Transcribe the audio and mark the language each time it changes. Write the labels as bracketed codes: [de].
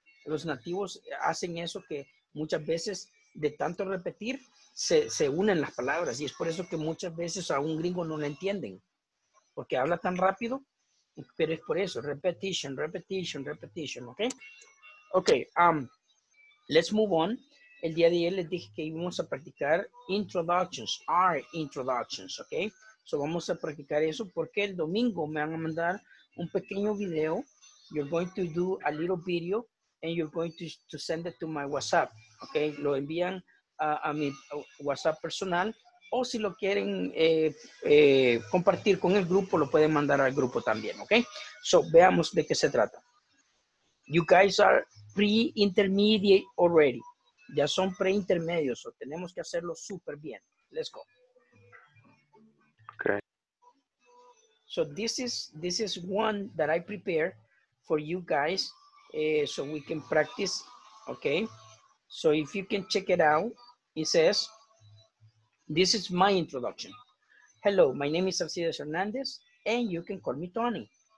[es] Los nativos hacen eso que muchas veces de tanto repetir se unen las palabras y es por eso que muchas veces a un gringo no le entienden porque habla tan rápido, pero es por eso, repetition, ¿ok? Ok, [en] let's move on. [es] El día de ayer les dije que íbamos a practicar introductions, ¿ok? So vamos a practicar eso porque el domingo me van a mandar un pequeño video. [en] You're going to do a little video. And you're going to send it to my WhatsApp, okay? [es] Lo envían a mi WhatsApp personal. O si lo quieren compartir con el grupo, lo pueden mandar al grupo también, okay? So, veamos de qué se trata. [en] You guys are pre-intermediate already. [es] Ya son pre-intermedios, so tenemos que hacerlo súper bien. [en] Let's go. Okay. So this is one that I prepared for you guys, so we can practice, okay? So if you can check it out, it says, this is my introduction. Hello, my name is Alcides Hernandez, and you can call me Tony.